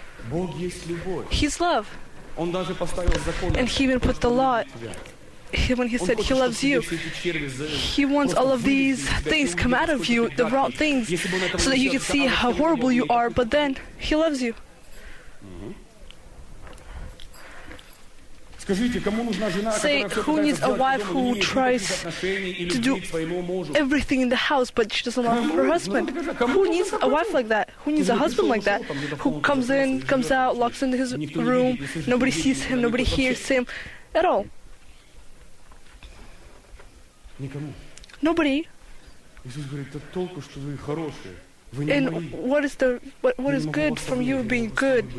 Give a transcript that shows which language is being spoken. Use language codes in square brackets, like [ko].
[ru] Бог есть любовь. [en] He's love. [ru] Он даже поставил закон. [en] And he even put the law. When he said he loves you, he wants all of these things come out of you, the wrong things, so that you can see how horrible you are. But then he loves you. [ru] Скажите, кому нужна жена, которая всё пытается сделать для него, не имеет никаких отношений и любви к своему мужу? [en] Everything in the house, but she doesn't love her husband. Who needs a wife like that? Who needs a husband like that? Who comes in, comes out, locks in his room, nobody sees him, nobody hears him at all? [ru] Никому. [en] Nobody. [ru] Иисус говорит, это толку, что вы хорошие. [en] And what is the what is good from you being good?